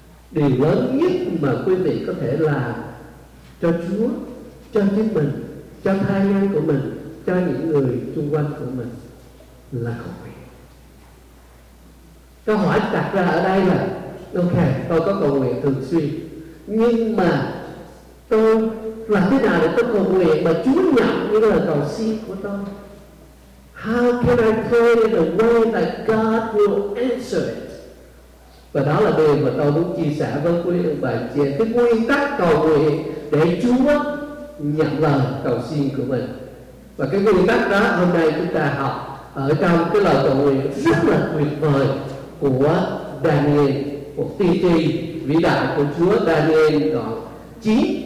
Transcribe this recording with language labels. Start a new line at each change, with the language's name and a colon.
Vietnamese: Điều lớn nhất mà quý vị có thể làm cho Chúa, cho chính mình, cho thai nhân của mình, cho những người xung quanh của mình là cầu nguyện. Câu hỏi đặt ra ở đây là ok, tôi có cầu nguyện thường xuyên, nhưng mà tôi làm thế nào để tôi cầu nguyện mà Chúa nhận những lời cầu xin của tôi?
English: How can I pray in a way that God will answer it?
Vietnamese: Và đó là điều mà tôi muốn chia sẻ với quý ông bà chị em, cái nguyên tắc cầu nguyện để Chúa nhận lời cầu xin của mình. Và cái nguyên tắc đó hôm nay chúng ta học ở trong cái lời cầu nguyện rất là tuyệt vời của Daniel, một tiên tri vĩ đại của Chúa, Daniel đoạn 9.